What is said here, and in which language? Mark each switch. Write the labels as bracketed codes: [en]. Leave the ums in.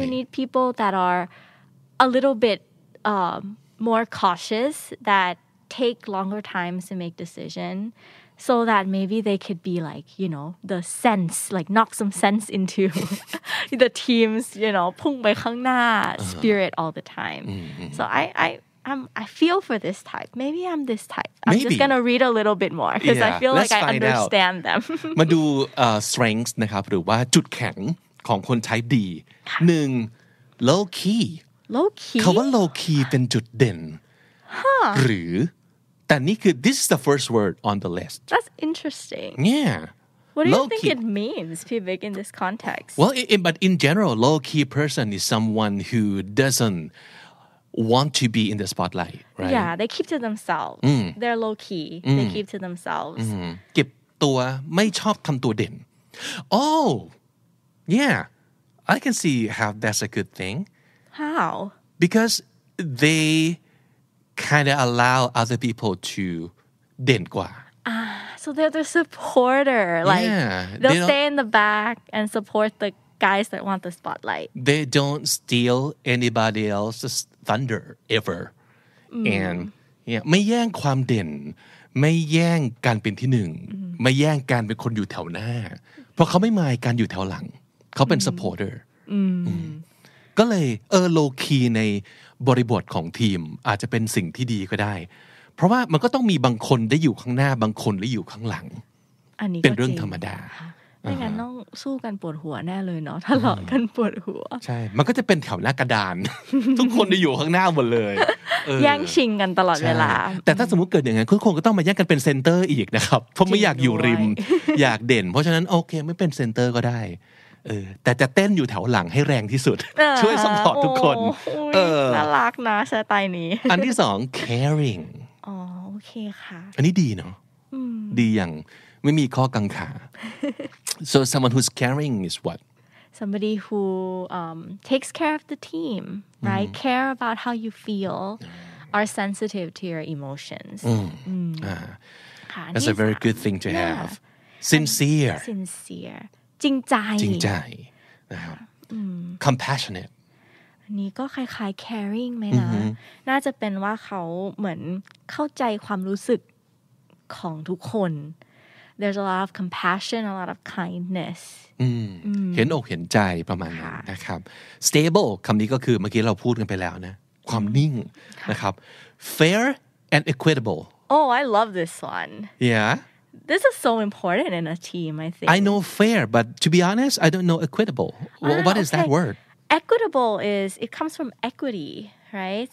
[en] you need people that are a little bit uh, more cautious that take longer times to make decision so that maybe they could be like you know the sense like knock some sense into the team's you know [th] พุ่งไปข้างหน้า [en] spirit all the time mm-hmm. so i i I'm, i feel for this type maybe i'm this type i'm maybe. just gonna read a little bit more because yeah. i feel Let's like i understand out. them มา [th] ดู strengths นะครับ หรือว่าจุดแข็งของคน type D หนึ่ง low key low key เขาว่า [en] low key [th] เป็นจุดเด่นหรือแต่นี่คือ [en] this is the first word on the list that's interesting yeah what do low you think key. it means be big in this context well it, it, but in general low key person is someone who doesn't want to be in the spotlight right yeah they keep to themselves mm. they're low key mm. they keep to themselves keep mm-hmm. oh yeah i can see how that's a good thing how because they kind of allow other people to ่นกว่า Ah, so they're the supporter. Like yeah, they'll they stay in the back and support the guys that want the spotlight. They don't steal anybody else's thunder ever. Mm. [th] And yeah, ไม่แย่งความเด่นไม่แย่งการเป็นที่หนึ่งไม่แย่งการเป็นคนอยู่แถวหน้า เพราะเขาไม่มายการอยู่แถวหลัง เขาเป็นสปอร์เตอร์ก็เลยเออโลคีในบริบทของทีมอาจจะเป็นสิ่งที่ดีก็ได้ เพราะว่ามันก็ต้องมีบางคนได้อยู่ข้างหน้าบางคนได้อยู่ข้างหลัง อันนี้เป็นเรื่องธรรมด าไม่งั้น ต้องสู้กันปวดหัวแน่เลยเนาะทะเลาะกันปวดหัว ใช่ มันก็จะเป็นแถวหน้ากระดาน ทุกคนได้อยู่ข้างหน้าหมดเลยแย่ง ชิงกันตลอดเวลา แต่ถ้าสมมติเกิดอย่างนั้นคุณคงก็ต้องมาแย่งกันเป็นเซนเตอร์อีกนะครับเพราะไม่อยากอยู่ริม อยากเด่น เพราะฉะนั้นโอเค ไม่เป็นเซนเตอร์ก็ได้เออแต่จะเต้นอยู่แถวหลังให้แรงที่สุด ช่วยสปอร์ตทุกคน น่ารักนะสไต ล์นี้อันที่สอง caring อ๋อโอเคค่ะ อันนี้ดีเนาะดีอย่างไม่มีข้อกังขา [en] so someone who's caring is what somebody who um, takes care of the team right care about how you feel are sensitive to your emotions that's a very good thing to h have sincere [th] sincere จริงใจจริงใจ นะครับ compassionate นี่ก็คล้ายๆ caring ไหมนะ น่าจะเป็นว่าเขาเหมือนเข้าใจความรู้สึกของทุกคน [en] there's a lot of compassion a lot of kindness [th] เห็นอก เห็นใจประมาณนั้นนะครับ stable คำนี้ก็คือเมื่อกี้เราพูดกันไปแล้วนะ ความนิ่งนะครับ fair and equitable [en] oh I love this one yeah this is so important in a team, I think. I know fair, but to be honest, I don't know equitable. Uh, what okay. is that word? Equitable is, it comes from equity, right?